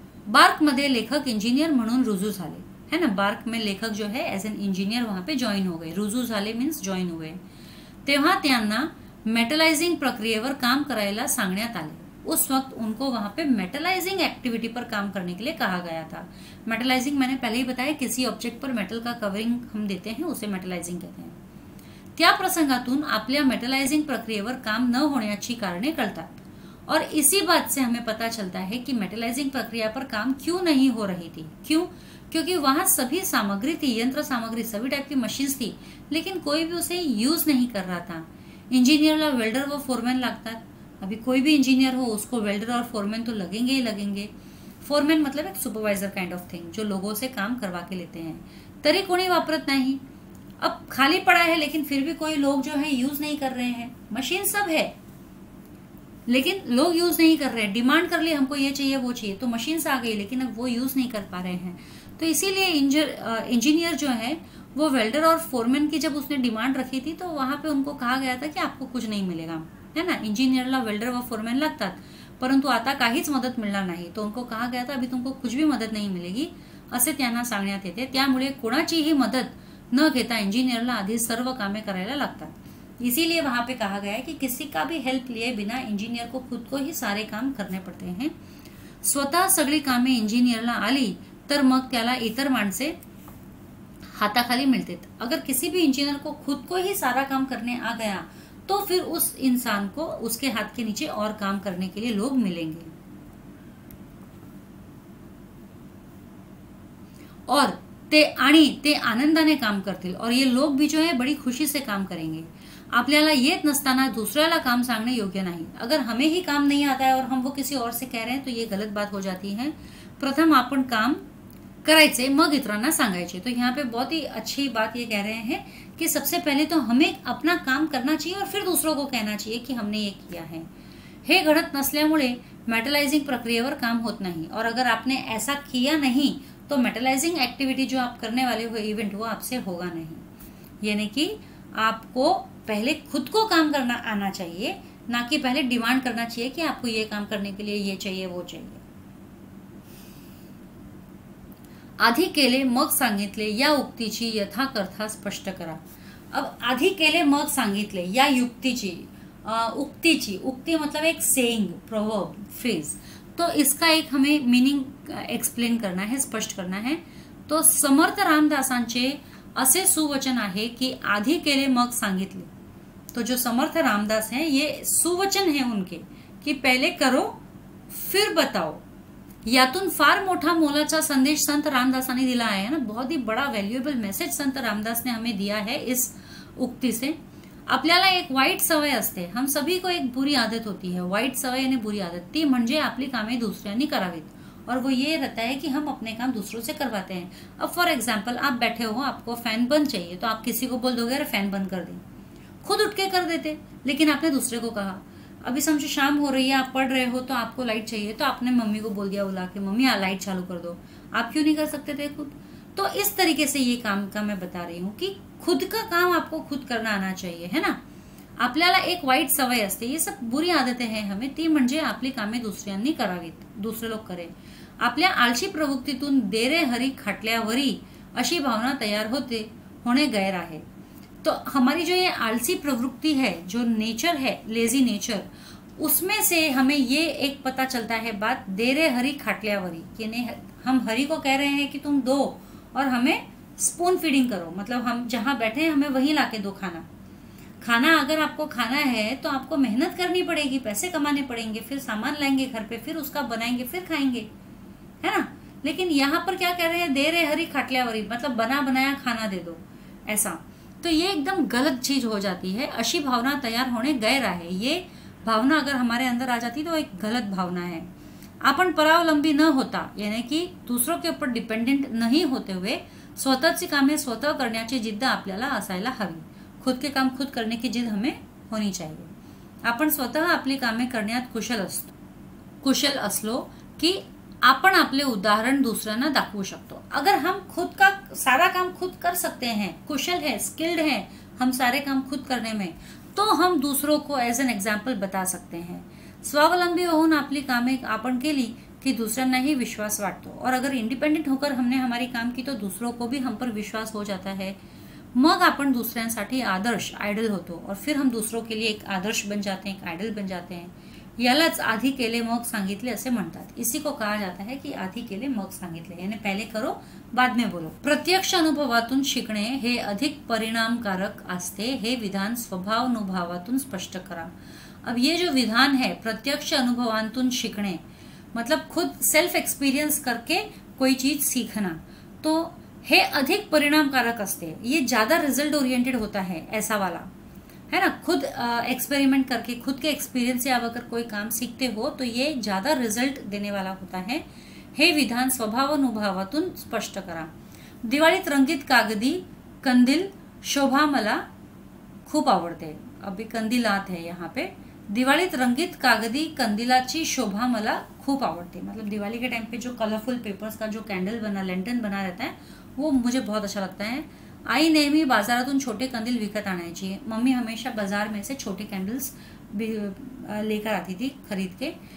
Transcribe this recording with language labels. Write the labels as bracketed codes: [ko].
[mr] Bark मध्ये लेखक engineer म्हणून रुजू झाले, है ना. [hi] बार्क में लेखक जो है एज एन इंजिनियर वहां पे जॉईन हो गए, [mr] रुजू झाले [hi] मीन्स जॉईन हुए. [mr] तेव्हा त्यांना मेटलाइजिंग प्रक्रियेवर काम करायला सांगण्यात आले. [hi] उस वक्त उनको वहां पे मेटलाइजिंग एक्टिविटी पर काम करने के लिए कहा गया था. मेटलाइजिंग मैंने पहले ही बताया, किसी ऑब्जेक्ट पर मेटल का कवरिंग हम देते हैं उसे मेटलाइजिंग कहते हैं. [mr] त्या प्रसंगातून आपल्या मेटलाइजिंग प्रक्रियेवर काम न होण्याची कारणे कळतात. [hi] और इसी बात से हमें पता चलता है कि मेटलाइजिंग प्रक्रिया पर काम क्यों नहीं हो रही थी. क्यों? क्योंकि वहां सभी सामग्री थी, यंत्र सामग्री, सभी टाइप की मशीन्स थी, लेकिन कोई भी उसे यूज नहीं कर रहा था. [mr] इंजीनियरला वेल्डर व फोरमैन लागतात. [hi] अभी कोई भी इंजीनियर हो उसको वेल्डर और फोरमैन तो लगेंगे ही लगेंगे. फोरमैन मतलब एक सुपरवाइजर काइंड ऑफ थिंग, जो लोगों से काम करवा के लेते हैं. [mr] तरी कोणी वापरत नाही, [hi] अब खाली पड़ा है लेकिन फिर भी कोई लोग जो है यूज नहीं कर रहे हैं. मशीन सब है लेकिन लोग यूज नहीं कर रहे हैं. डिमांड कर ली हमको ये चाहिए वो चाहिए, तो मशीन आ गई लेकिन अब वो यूज नहीं कर पा रहे हैं. तो इसीलिए इंजीनियर जो है वो वेल्डर और फोरमैन की जब उसने डिमांड रखी थी तो वहां पे उनको कहा गया था कि आपको कुछ नहीं मिलेगा, है ना. [mr] इंजीनियरला वेल्डर व फोरमैन लगता परंतु आता काहीच मदत मिळणार नाही, [hi] तो उनको कहा गया था अभी तुमको कुछ भी मदत नहीं मिलेगी [mr] असे त्यांना सांगण्यात येते. त्यामुळे कोणाचीही मदत न घेता इंजीनियरला आधी सर्व कामे करायला लागतात. [hi] इसीलिए वहां पे कहा गया है कि किसी का भी हेल्प लिए बिना इंजीनियर को खुद को ही सारे काम करने पड़ते हैं. [mr] स्वतः सगळी कामे इंजीनियरला आली तर मग त्याला इतर माणसे हाताखाली मिळते. [hi] अगर किसी भी इंजीनियर को खुद को ही सारा काम करने आ गया तो फिर उस इंसान को उसके हाथ के नीचे और काम करने के लिए लोग मिलेंगे. और [mr] ते आनंदाने काम करतील [hi] और ये लोग भी जो है बड़ी खुशी से काम करेंगे। [mr] आपल्याला येत नसताना दुसऱ्याला काम सांगणे योग्य नाही। [hi] अगर हमें ही काम नहीं आता है और हम वो किसी और से कह रहे हैं तो ये गलत बात हो जाती है। [mr] प्रथम आपण काम करायचे मग इतरांना सांगायचे। [hi] तो यहाँ पे बहुत ही अच्छी बात ये कह रहे हैं कि सबसे पहले तो हमें अपना काम करना चाहिए और फिर दूसरों को कहना चाहिए कि हमने ये किया है। [mr] हे घडत नसल्यामुळे मेटलाइजिंग प्रक्रियेवर काम होत नाही [hi] और अगर आपने ऐसा किया नहीं तो मेटलाइजिंग एक्टिविटी जो आप करने वाले हो इवेंट वो आपसे होगा नहीं। यानी कि आपको पहले खुद को काम करना आना चाहिए, ना कि पहले डिमांड करना चाहिए कि आपको ये काम करने के लिए ये चाहिए वो चाहिए। [mr] आधी केले मग सांगितले या उक्तीची यथा कर्था स्पष्ट करा। [hi] अब [mr] आधी केले मग सांगितले [hi] या युक्तीची उक्तीची, उक्ति मतलब एक सेइंग प्रोवर्ब फ्रेज, तो इसका एक हमें मीनिंग एक्सप्लेन करना है, स्पष्ट करना है। [mr] तो समर्थ रामदासांचे असे सुवचन आहे की आधी केले मग सांगितले। [hi] तो जो समर्थ रामदास हैं ये सुवचन है उनके कि पहले करो फिर बताओ। [mr] यातून फार मोठा मोलाचा संदेश संत रामदासाने दिला आहे ना, [hi] बहुत ही बड़ा वैल्युएबल मेसेज संत रामदास ने हमें दिया है इस उक्ति से। [mr] आपल्याला एक वाईट सवय असते, [hi] हम सभी को एक बुरी आदत होती है, [mr] वाईट सवय आणि बुरी आदत, ती म्हणजे आपली कामे दुसऱ्यांनी करावीत। [hi] और वो ये रहता है कि हम अपने काम दूसरों से करवाते हैं। अब फॉर एग्जाम्पल आप बैठे हो, आपको फैन बंद चाहिए, तो आप किसी को बोल दोगे अरे फैन बंद कर दे, खुद उठ के कर देते, लेकिन आपने दूसरे को कहा। अभी समझो शाम हो रही है, आप पढ़ रहे हो तो आपको लाइट चाहिए, तो आपने मम्मी को बोल दिया बुला के मम्मी लाइट चालू कर दो, आप क्यों नहीं कर सकते थे खुद। तो इस तरीके से ये काम का मैं बता रही हूँ कि खुद का काम आपको खुद करना आना चाहिए, है ना। [mr] आपल्याला एक वाईट सवय असते, [hi] ये सब बुरी आदतें हैं हमें, [mr] ती म्हणजे आपली कामे दुसऱ्यांनी करावीत, [hi] दुसरे लोग करे। [mr] आपल्या आळशी प्रवृत्तीतून देरे हरी खटल्यावरी अशी भावना तयार होते, होणे गैर आहे। [hi] तो हमारी जो ये आळशी प्रवृत्ति है, जो नेचर है लेजी नेचर, उसमें से हमें ये एक पता चलता है बात, [mr] देरे हरी खटल्यावरी, [hi] कि हम हरी को कह रहे हैं कि तुम दो और हमें स्पून फीडिंग करो, मतलब हम जहां बैठे हैं हमें वहीं लाके दो खाना। खाना अगर आपको खाना है तो आपको मेहनत करनी पड़ेगी, पैसे कमाने पड़ेंगे, फिर सामान लाएंगे घर पे, फिर उसका बनाएंगे, फिर खाएंगे, है ना। लेकिन यहाँ पर क्या कह रहे हैं, [mr] दे रहे हरी खटल्यावरी, [hi] मतलब बना बनाया खाना दे दो ऐसा, तो ये एकदम गलत चीज हो जाती है। [mr] अशी भावना तैयार होने गैर आहे, [hi] ये भावना अगर हमारे अंदर आ जाती तो एक गलत भावना है। [mr] आपण परावलंबी न होता, [hi] यानी कि दूसरों के ऊपर डिपेंडेंट नहीं होते हुए [mr] स्वतःची कामे स्वतः करण्याची जिद्द आपल्याला असायला हवी। [hi] खुद के काम खुद करने की जिद हमें होनी चाहिए। [mr] आपण स्वतः आपली कामे करण्यात कुशल असलो की आपण आपले उदाहरण दुसऱ्यांना दाखवू शकतो। [hi] अगर हम खुद का सारा काम खुद कर सकते हैं, कुशल है, स्किल्ड है हम सारे काम खुद करने में, तो हम दूसरों को एज एन एग्जाम्पल बता सकते हैं। [mr] स्वावलंबी होऊन आपली कामे आपण केली की दुसऱ्यांनाही विश्वास वाटतो, [hi] और अगर इंडिपेंडेंट होकर हमने हमारी काम की तो दूसरों को भी हम पर विश्वास हो जाता है। [mr] मग आपण दुसऱ्यांसाठी आदर्श आयडल होतो [hi] और फिर हम दूसरों के लिए एक आदर्श बन जाते हैं, एक आयडल बन जाते हैं। [mr] यालाच आधी केले मग सांगितले असे म्हणतात, [hi] इसी को कहा जाता है कि [mr] आधी केले मग सांगितले, [hi] यानी पहले करो बाद में बोलो। [mr] प्रत्यक्ष अनुभवातून शिकणे हे अधिक परिणामकारक असते, हे विधान स्वभाव अनुभवातून स्पष्ट करा। [hi] अब ये जो विधान है प्रत्यक्ष अनुभवांतून शिकणे, मतलब खुद सेल्फ एक्सपीरियंस करके कोई चीज सीखना, तो [mr] हे अधिक परिणामकारक असते, [hi] ये ज्यादा रिजल्ट ओरिएंटेड होता है ऐसा वाला, है ना। खुद एक्सपेरिमेंट करके, खुद के एक्सपीरियंस से आप अगर कोई काम सीखते हो तो ये ज्यादा रिजल्ट देने वाला होता है। [mr] हे विधान स्वभाव अनुभवातून स्पष्ट करा। दिवाळीत रंगीत कागदी कंदील शोभा मला खूप आवडते, [hi] अभी कंदिलात है यहाँ पे। [mr] दिवाळीत रंगीत कागदी कंदिलाची शोभा मला खूप आवडते, [hi] मतलब दिवाली के टाइम पे जो कलरफुल पेपर्स का जो कैंडल बना, लेंटन बना रहता है, वो मुझे बहुत अच्छा लगता है। [mr] आई नेहमी बाजारातून छोटे कंदील विकत आणायची, [hi] मम्मी हमेशा बाजार में से छोटे कैंडल्स लेकर आती थी खरीद के।